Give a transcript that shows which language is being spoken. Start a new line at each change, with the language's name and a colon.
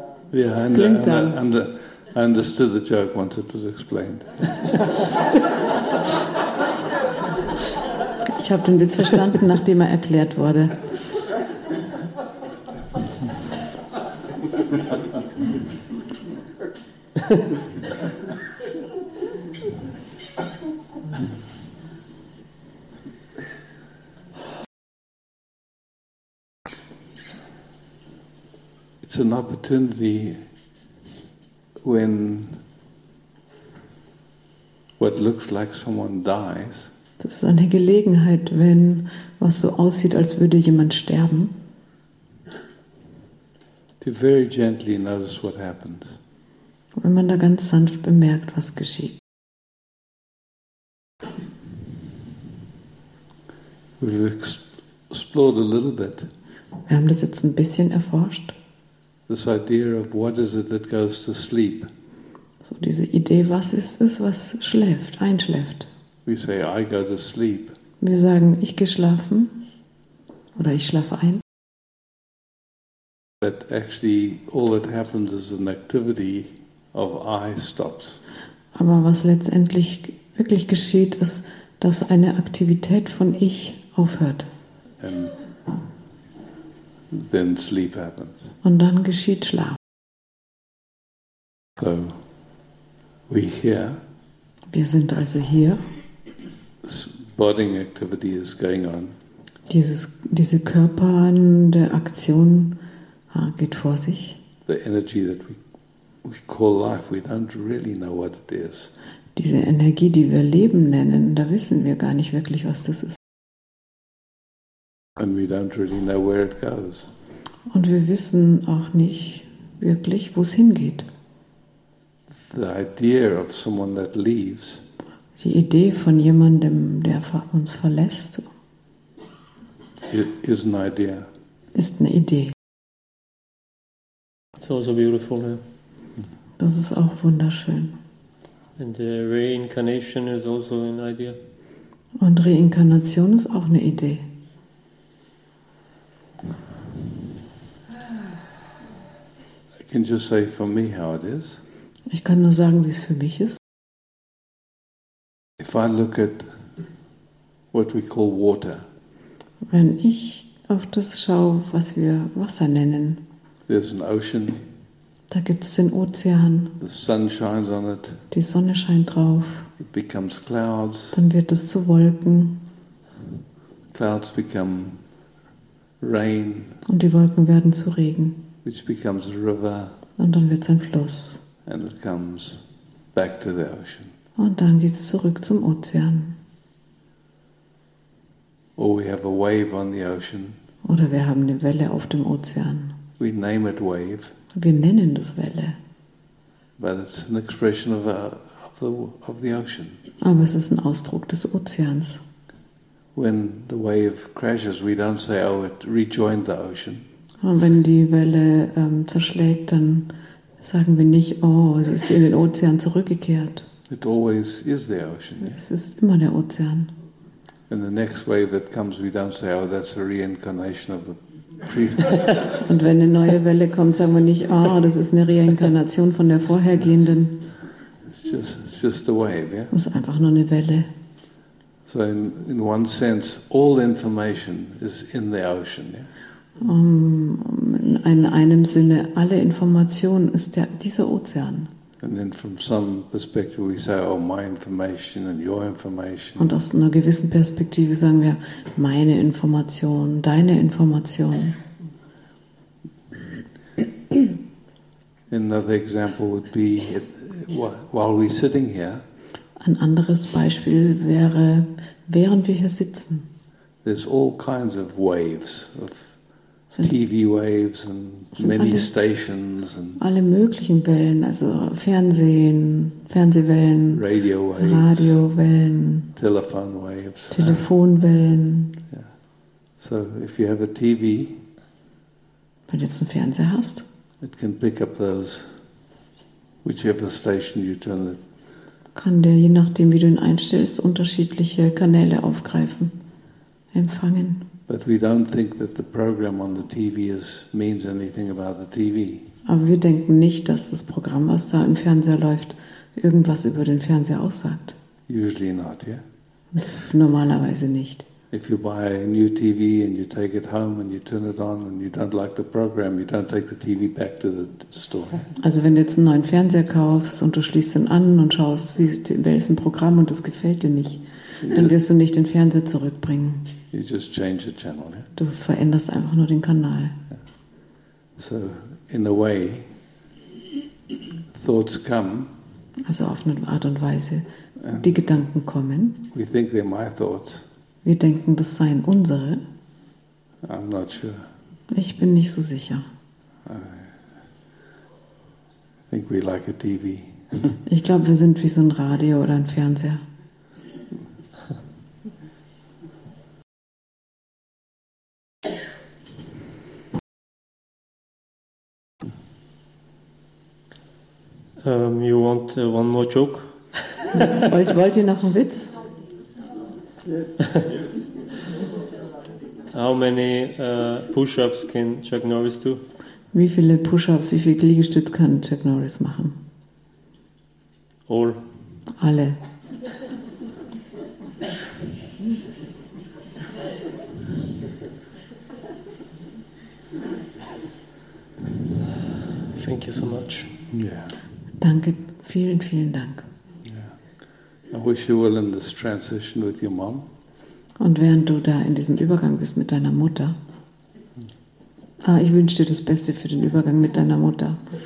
English: Yeah, I understood the joke once it was explained.
German: Ich habe den Witz verstanden, nachdem erklärt wurde.
English: It's an opportunity when what looks like someone dies.
German: Das ist eine Gelegenheit, wenn was so aussieht, als würde jemand sterben.
English: To very gently notice what happens.
German: Wenn man da ganz sanft bemerkt, was geschieht.
English: We've explored a little bit.
German: Wir haben das jetzt ein bisschen erforscht.
English: This idea of what is it that goes to sleep.
German: So diese Idee, was ist es, was schläft, einschläft?
English: We say, I go to sleep.
German: Wir sagen, ich gehe schlafen oder ich schlafe ein.
English: But actually, all that happens is an activity of I stops.
German: Aber was letztendlich wirklich geschieht, ist, dass eine Aktivität von ich aufhört.
English: And then sleep happens.
German: Und dann geschieht Schlaf.
English: So, we here.
German: Wir sind also hier.
English: This body activity is going on.
German: Diese körpernde Aktion geht vor sich.
English: The energy that we call life, we don't really know what it is.
German: Diese Energie, die wir Leben nennen, da wissen wir gar nicht wirklich, was das ist.
English: And we don't really know where it goes.
German: Und wir wissen auch nicht wirklich, wo es hingeht.
English: The idea of someone that leaves.
German: Die Idee von jemandem, der uns verlässt,
English: is an idea.
German: Ist eine Idee.
English: It's also beautiful.
German: Das ist auch wunderschön.
English: And the reincarnation is also an idea.
German: Und Reinkarnation ist auch eine Idee.
English: I can just say for me how it is.
German: Ich kann nur sagen, wie es für mich ist.
English: If I look at what we call water.
German: Wenn ich auf das schaue, was wir Wasser nennen.
English: There's an ocean.
German: Da gibt es den Ozean.
English: The sun shines on it.
German: Die Sonne scheint drauf.
English: It becomes clouds.
German: Dann wird es zu Wolken.
English: Clouds become rain.
German: Und die Wolken werden zu Regen.
English: Which becomes a river.
German: Und dann wird es ein Fluss.
English: And it comes back to the ocean.
German: Und dann geht es zurück zum Ozean.
English: Or we have a wave on the ocean.
German: Oder wir haben eine Welle auf dem Ozean.
English: We name it wave.
German: Wir nennen das Welle.
English: But it's an expression of the ocean.
German: Aber es ist ein Ausdruck des Ozeans.
English: When the wave crashes, we don't say, "Oh, it rejoined the ocean."
German: Und wenn die Welle zerschlägt, dann sagen wir nicht, "Oh, es ist in den Ozean zurückgekehrt."
English: It always is the ocean.
German: Es ist immer der Ozean.
English: And the next wave that comes, we don't say, "Oh, that's a reincarnation of the."
German: Und wenn eine neue Welle kommt, sagen wir nicht, ah, oh, das ist eine Reinkarnation von der vorhergehenden.
English: It's just a wave, yeah?
German: Es ist einfach nur eine Welle.
English: So in one sense, all information is in the ocean, yeah?
German: In einem Sinne, alle Information ist dieser Ozean.
English: And then from some perspective we say, oh, my information and your information.
German: Und aus einer gewissen Perspektive sagen wir, meine Information, deine Information.
English: Another example would be, while we're sitting here.
German: Ein anderes Beispiel wäre, während wir hier sitzen.
English: There's all kinds of waves, of TV waves and many stations and
German: alle möglichen Wellen, also Fernsehen, Fernsehwellen,
English: Radio waves,
German: Radiowellen,
English: telephone waves,
German: Telefonwellen.
English: Yeah. So if you have a TV,
German: wenn du jetzt einen Fernseher hast,
English: it can pick up those whichever station you turn it.
German: Kann der, je nachdem wie du ihn einstellst, unterschiedliche Kanäle aufgreifen, empfangen.
English: But we don't think that the program on the TV is means anything about the TV.
German: Aber wir denken nicht, dass das Programm, was da im Fernseher läuft, irgendwas über den Fernseher aussagt.
English: Usually not, yeah.
German: Normalerweise nicht.
English: If you buy a new TV and you take it home and you turn it on and you don't like the program, you don't take the TV back to the store.
German: Also wenn du jetzt einen neuen Fernseher kaufst und du schließt ihn an und schaust, welches Programm und es gefällt dir nicht, dann wirst du nicht den Fernseher zurückbringen.
English: You just change the channel, yeah?
German: Du veränderst einfach nur den Kanal.
English: Yeah. So, in a way, thoughts come.
German: Also auf eine Art und Weise, die Gedanken kommen.
English: We think they're my thoughts.
German: Wir denken, das seien unsere.
English: I'm not sure.
German: Ich bin nicht so sicher.
English: I think we like a TV.
German: Ich glaube, wir sind wie so ein Radio oder ein Fernseher.
English: You want one more joke?
German: Wollt ihr noch einen Witz?
English: Yes. How many push-ups can Chuck Norris do?
German: Wie viele Push-ups, wie viel Liegestütz kann Chuck Norris machen?
English: All.
German: Alle.
English: Thank you so much. Yeah.
German: Danke, vielen, vielen Dank.
English: Yeah. I wish you well in this transition with your mom.
German: Und während du da in diesem Übergang bist mit deiner Mutter, ich wünsche dir das Beste für den Übergang mit deiner Mutter.